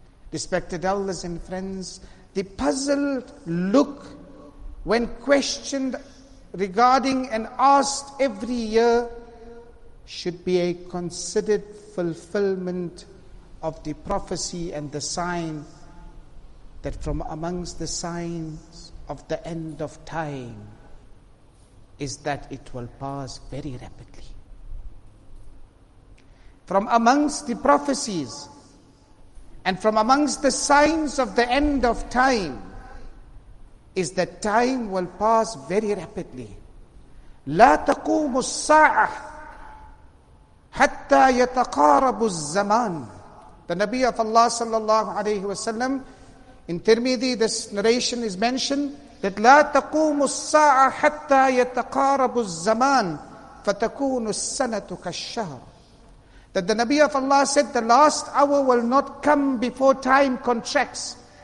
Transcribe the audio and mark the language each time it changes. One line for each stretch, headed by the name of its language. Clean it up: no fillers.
English: Respected elders and friends, the puzzled look when questioned regarding and asked every year should be a considered fulfillment of the prophecy and the sign that from amongst the signs of the end of time is that it will pass very rapidly. from amongst the prophecies and from amongst the signs of the end of time is that time will pass very rapidly.
Arabic: لا تقوم الساعة حتى يتقارب الزمان.
English: The Nabi of Allah sallallahu alayhi wa sallam, in Tirmidhi this narration is mentioned, that
Arabic: لا تقوم الساعة حتى يتقارب الزمان فتكون السنة كالشهر.
English: That the Nabi of Allah said, the last hour will not come before time contracts.